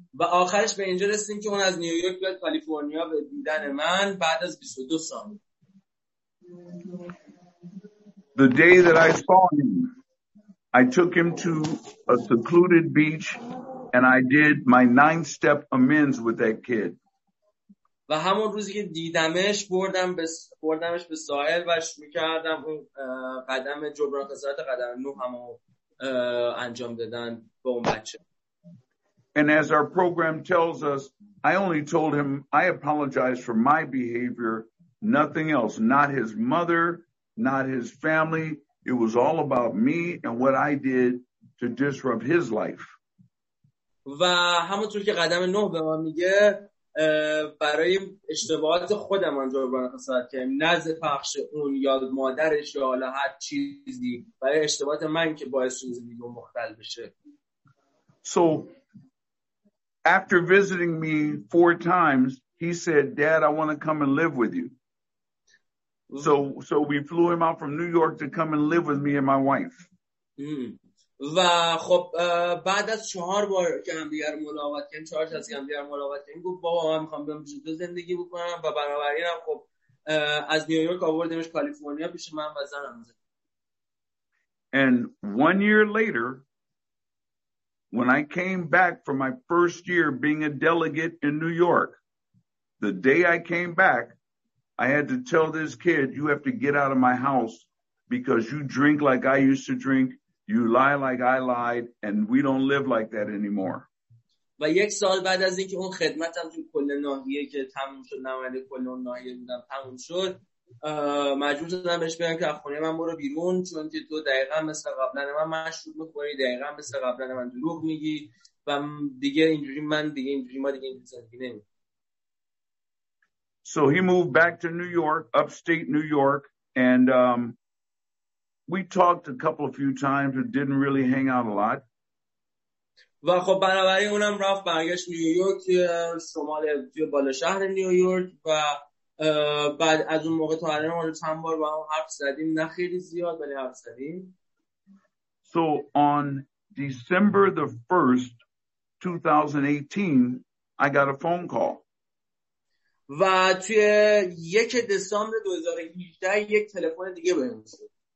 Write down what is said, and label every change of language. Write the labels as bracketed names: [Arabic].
[Persian] و آخرش به اینجا رسیدیم که اون از نیویورک به کالیفرنیا به دیدن من بعد از 22 سال. [English] The day that I saw him, I took him to a secluded beach and I did my 9-step amends with that kid. [Persian] و همون روزی که دیدمش بردمش به ساحل و شروع کردم اون قدم جبران خسارت قدم 9 همو انجام دادن با اون بچه. [English] And as our program tells us, I only told him I apologize for my behavior, nothing else, not his mother, not his family. It was all about me and what I did to disrupt his life. [Persian] و همونطور که قدم 9 به ما میگه برای اشتباهات خودم جبران خسارت کردم، نزد پخش اون یا مادرش یا حالا هر چیزی، برای اشتباهات من که باعث شده دیگه مختل بشه. [English] So after visiting me 4 times, he said, "Dad, I want to come and live with you." So we flew him out from New York to come and live with me and my wife. [Persian] و خب بعد از 4 بار که هم دیگر ملاقات کردیم، 4 تا از هم دیگر ملاقات کردیم، گفت بابا من می‌خوام بیام جدا زندگی بکنم و بنابراین هم خب از نیویورک آوردمش کالیفرنیا پیش من و زنم. [English] And 1 year later, when I came back from my first year being a delegate in New York, the day I came back, I had to tell this kid, you have to get out of my house because you drink like I used to drink, you lie like I lied, and we don't live like that anymore. [Persian] و یک سال بعد از اینکه اون خدمتم تو کل ناحیه که تموم شد، نماینده کل اون ناحیه بودم تموم شد، مجبور شدم بهش بگم که از خونه من برو بیرون، چون که تو دقیقا مثل قبلا من مشروب می‌خوری، دقیقا مثل قبلا من دروغ میگی و دیگه اینجوری من دیگه اینجوری ما دیگه این زندگی نمی. [English] So he moved back to New York, upstate New York, and we talked a couple of few times and didn't really hang out a lot. [Persian] و خب بنابراین اونم رفت برگشت نیویورک، شمال توی بالا شهر نیویورک، و بعد از اون موقع تا الان ما چند بار با هم حرف زدیم، نه خیلی زیاد ولی حرف زدیم. [English] So on December the 1st, 2018, I got a phone call. [Persian] و توی 1 دسامبر 2018 یک تلفن دیگه بهم شد.